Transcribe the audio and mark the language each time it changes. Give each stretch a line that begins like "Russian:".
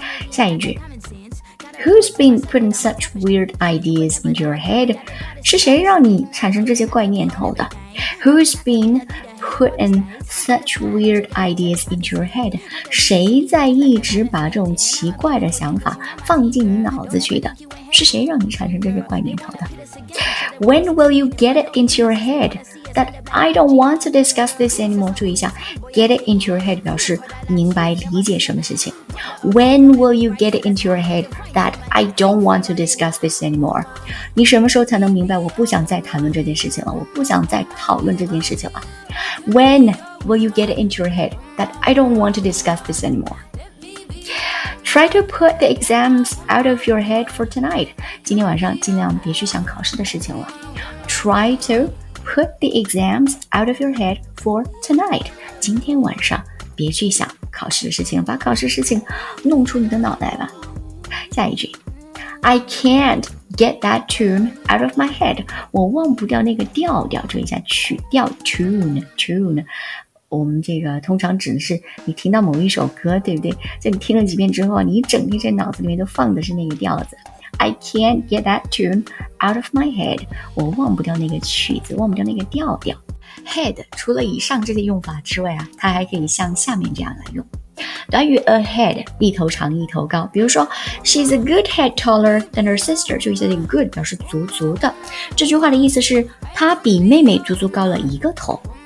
Chinese: 下一句，
English: Who's been putting such weird ideas in your head?
Chinese: 是谁让你产生这些怪念头的？
English: Who's been putting such weird ideas in your head?
Chinese: 谁在一直把这种奇怪的想法放进你脑子去的？是谁让你产生这些怪念头的？
English: When will you get it into your head that I don't want to discuss this anymore?
Chinese: 注意一下，
English: get it into your head
Chinese: 表示明白理解什么事情。
English: When will you get it into your head that I don't want to discuss this anymore?
Chinese: 你什么时候才能明白我不想再谈论这件事情了，我不想再讨论这件事情了。
English: When will you get it into your head that I don't want to discuss this anymore? Try to put the exams out of your head for tonight.
Chinese: 今天晚上尽量别去想考试的事情了。
English: Try to put the exams out of your head for tonight.
Chinese: 今天晚上别去想考试的事情，把考试事情弄出你的脑袋吧。下一句，
English: I can't get that tune out of my head.
Chinese: 我忘不掉那个调调，注意一下曲调 tune。我们这个通常指的是你听到某一首歌，对不对？在你听了几遍之后，你整天在脑子里面都放的是那个调子。
English: I can't get that tune out of my head.
Chinese: 我忘不掉那个曲子，忘不掉那个调调。Head 除了以上这些用法之外啊，它还可以像下面这样来用。短语 ahead， 一头长一头高。比如说 ，
English: She's a good head taller than her sister，
Chinese: 注意一下这个 good 表示足足的。这句话的意思是她比妹妹足足高了一个头。